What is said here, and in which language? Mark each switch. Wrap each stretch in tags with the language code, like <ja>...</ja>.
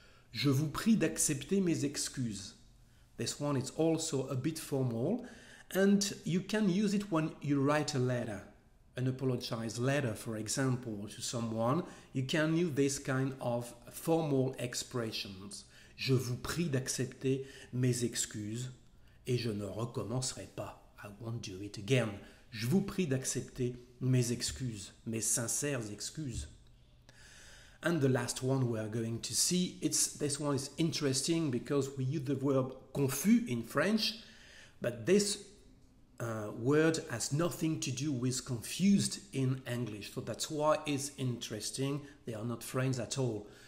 <fr>Je vous prie d'accepter mes excuses.</fr> <en>This one is also a bit formal. And you can use it when you write a letter. An apologize letter, for example, to someone. You can use this kind of formal expressions.</en> <fr>Je vous prie d'accepter mes excuses et je ne recommencerai pas.</fr> <en>I won't do it again.</en> <fr>Je vous prie d'accepter mes excuses, mes sincères excuses.</fr> <en>And the last one we are going to see, it's this one is interesting because we use the verb confus in French, but this word has nothing to do with confused in English. So that's why it's interesting. They are not friends at all.</en>